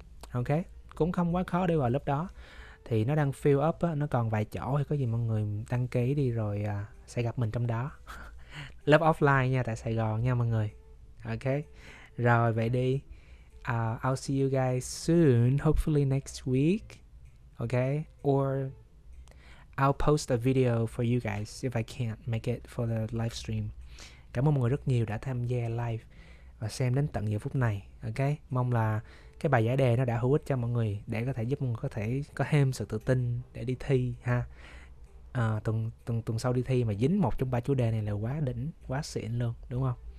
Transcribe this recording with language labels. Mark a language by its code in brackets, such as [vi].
[vi] Ok, cũng không quá khó để vào lớp đó. Thì nó đang [en] fill up [vi] á, nó còn vài chỗ, thì có gì mọi người đăng ký đi rồi sẽ gặp mình trong đó. Lớp offline nha, tại Sài Gòn nha mọi người. Ok, rồi vậy đi. [en] I'll see you guys soon, hopefully next week. Ok, or I'll post a video for you guys if I can't make it for the live stream. [vi] Cảm ơn mọi người rất nhiều đã tham gia live và xem đến tận giờ phút này. Ok, mong là cái bài giải đề nó đã hữu ích cho mọi người, để có thể giúp mọi người có thể có thêm sự tự tin để đi thi ha. À, tuần tuần tuần sau đi thi mà dính một trong ba chủ đề này là quá đỉnh, quá xịn luôn, đúng không?